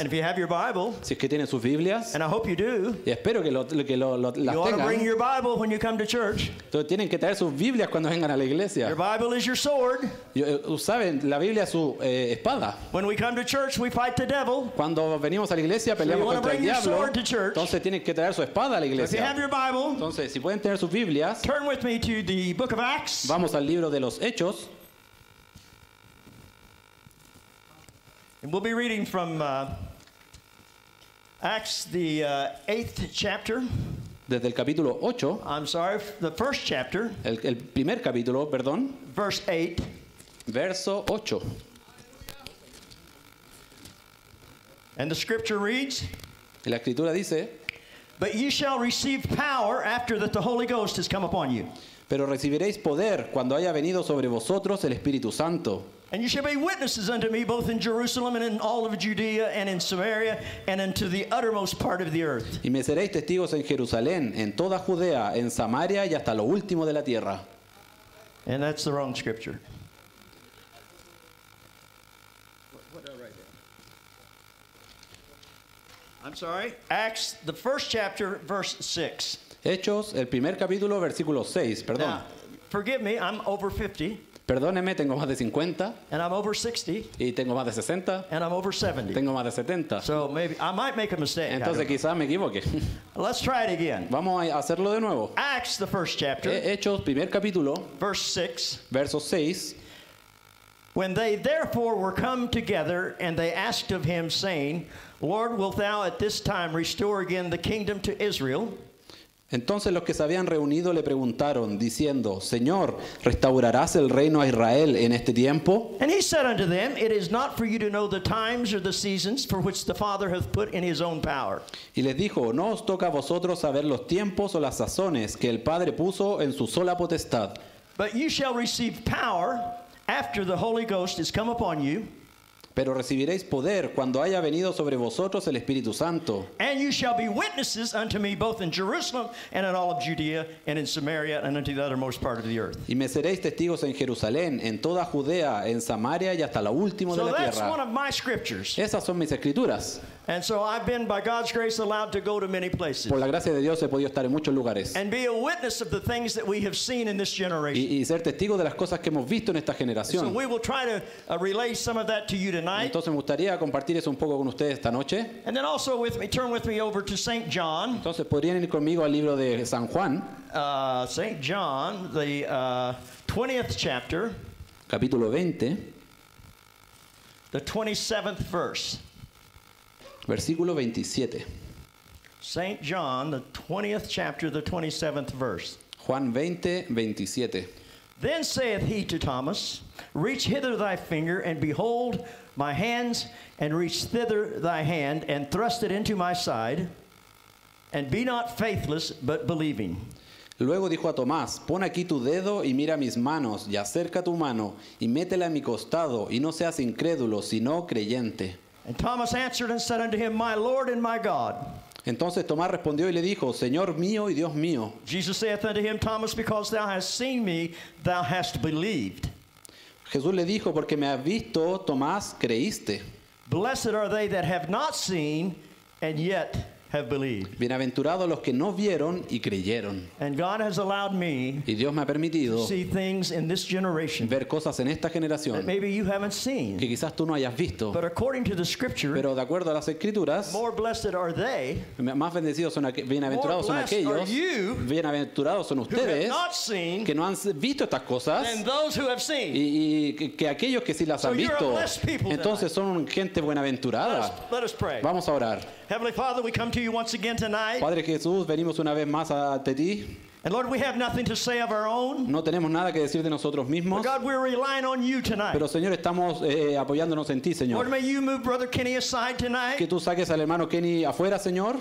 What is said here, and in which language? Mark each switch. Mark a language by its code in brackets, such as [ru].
[en] And if you have your Bible, [es] si es que tienen sus Biblias, [en] and I hope you do, [es] y espero que lo las tengan. [en] You ought to bring your Bible when you come to church. [es] Entonces tienen que traer sus Biblias cuando vengan a la iglesia. [en] Your Bible is your sword. [es] Saben, la Biblia es su espada. [en] When we come to church, we fight the devil. [es] Cuando venimos a la iglesia peleamos [en] so [es] contra el diablo. [en] You want to bring your sword to church. [es] Entonces tienen que traer su espada a la iglesia. [en] So if you have your Bible, [es] entonces si pueden tener sus Biblias, [en] turn with me to the Book of Acts. [es] Vamos al libro de los Hechos. [en] And we'll be reading from Acts, the 8th chapter. [es] Desde el capítulo 8. [en] I'm sorry, the first chapter. [es] El primer capítulo, perdón. [en] Verse 8. [es] Verso 8. [en] And the scripture reads, [es] y la escritura dice, [en] but ye shall receive power after that the Holy Ghost has come upon you. [es] Pero recibiréis poder cuando haya venido sobre vosotros el Espíritu Santo. [en] And you shall be witnesses unto me both in Jerusalem and in all of Judea and in Samaria and unto the uttermost part of the earth. [es] Y me seréis testigos en Jerusalén, en toda Judea, en Samaria y hasta lo último de la tierra. [en] And that's the wrong scripture. What did I write down? I'm sorry. Acts, the first chapter, verse 6. [es] Hechos, el primer capítulo, versículo 6, perdón. [en] Now, forgive me, I'm over 50. [es] Perdóneme, tengo más de 50. [en] And I'm over 60. [es] Y tengo más de 60. [en] And I'm over 70. [es] Tengo más de 70. [en] So maybe I might make a mistake. [es] Entonces quizás me equivoque. [en] Let's try it again. [es] Vamos a hacerlo de nuevo. [en] Acts, the first chapter. [es] Hechos, primer capítulo. [en] Verse 6. [es] Verso 6. [en] When they therefore were come together, and they asked of him, saying, Lord, wilt thou at this time restore again the kingdom to Israel? [es] Entonces los que se habían reunido le preguntaron, diciendo, Señor, ¿restaurarás el reino a Israel en este tiempo? [en] And he said unto them, it is not for you to know the times or the seasons for which the Father hath put in his own power. [es] Y les dijo, no os toca a vosotros saber los tiempos o las sazones que el Padre puso en su sola potestad. [en] But you shall receive power after the Holy Ghost has come upon you. [es] Pero recibiréis poder cuando haya venido sobre vosotros el Espíritu Santo. [en] And you shall be witnesses unto me both in Jerusalem and in all of Judea and in Samaria and unto the uttermost part of the earth. [es] Y me seréis testigos en Jerusalén, en toda Judea, en Samaria y hasta la última de la tierra. [en] So that's one of my scriptures. [es] Esas son mis escrituras. [en] And so I've been, by God's grace, allowed to go to many places. [es] Por la gracia de Dios he podido estar en muchos lugares. [en] And be a witness of the things that we have seen in this generation. [es] Y ser testigo de las cosas que hemos visto en esta generación. [en] So we will try to relay some of that to you tonight. [es] Entonces me gustaría compartir eso un poco con ustedes esta noche. [en] And then also with me, turn with me over to St. John. [es] Entonces podrían ir conmigo al libro de San Juan. [en] St. John, the 20th chapter. [es] Capítulo 20. [en] The 27th verse. [es] Versículo 27. [en] Saint John, the 20th chapter, the 27th verse. [es] Juan 20, 27. [en] Then saith he to Thomas, reach hither thy finger, and behold my hands, and reach thither thy hand, and thrust it into my side, and be not faithless, but believing. [es] Luego dijo a Tomás, pon aquí tu dedo y mira mis manos, y acerca tu mano, y métela en mi costado, y no seas incrédulo, sino creyente. [en] And Thomas answered and said unto him, My Lord and my God. [es] Entonces Tomás respondió y le dijo, Señor mío y Dios mío. [en] Jesus saith unto him, Thomas, because thou hast seen me, thou hast believed. [es] Jesús le dijo, porque me has visto, Tomás, creíste. [en] Blessed are they that have not seen and yet have believed. [es] Bienaventurados los que no vieron y creyeron. [en] And God has allowed me [es] y Dios me ha permitido [en] to see things in this generation [es] ver cosas en esta generación [en] that maybe you haven't seen. [es] Que quizás tú no hayas visto. [en] But according to the scripture, [es] pero de acuerdo a las escrituras, [en] more blessed are they, [es] más bendecidos son aquellos, bienaventurados son aquellos, [en] are you, [es] bienaventurados son ustedes, [en] who have not seen, [es] que no han visto estas cosas, [en] than those who have seen. [es] Y que aquellos que sí las [en] so [es] han visto, [en] you're a blessed people tonight. [es] Entonces son gente buenaventurada. [en] Let us pray. [es] Vamos a orar. [en] Heavenly Father, we come to you once again tonight. [es] Padre Jesús, venimos una vez más ante ti. [en] And Lord, we have nothing to say of our own. [es] No tenemos nada que decir de nosotros mismos. [en] But God, we're relying on you tonight. [es] Pero Señor, estamos apoyándonos en ti, Señor. [en] Lord, may you move Brother Kenny aside tonight. [es] Que tú saques al hermano Kenny afuera, Señor.